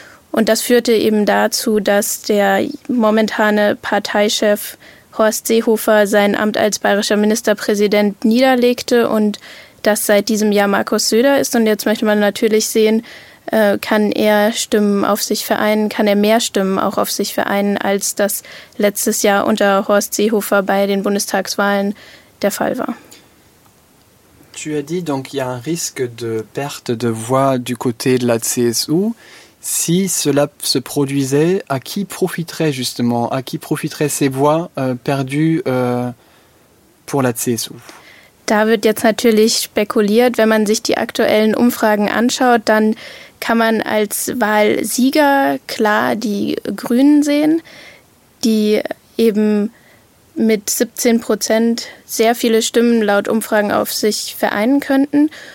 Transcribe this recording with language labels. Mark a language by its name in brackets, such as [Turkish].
[German] Und das führte eben dazu, dass der momentane Parteichef Horst Seehofer sein Amt als bayerischer Ministerpräsident niederlegte und das seit diesem Jahr Markus Söder ist. Und jetzt möchte man natürlich sehen, kann er Stimmen auf sich vereinen, kann er mehr Stimmen auch auf sich vereinen, als das letztes Jahr unter Horst Seehofer bei den Bundestagswahlen der Fall war. [French] Tu as dit donc, il y a un risque de perte de voix du côté de la CSU. Si cela se produisait, à qui profiterait justement, à qui profiterait ces voix perdues pour la CSU? [German] Da wird jetzt natürlich spekuliert, wenn man sich die aktuellen Umfragen anschaut, dann kann man als Wahlsieger klar die Grünen sehen, die eben mit 17% sehr viele Stimmen laut Umfragen auf sich vereinen könnten.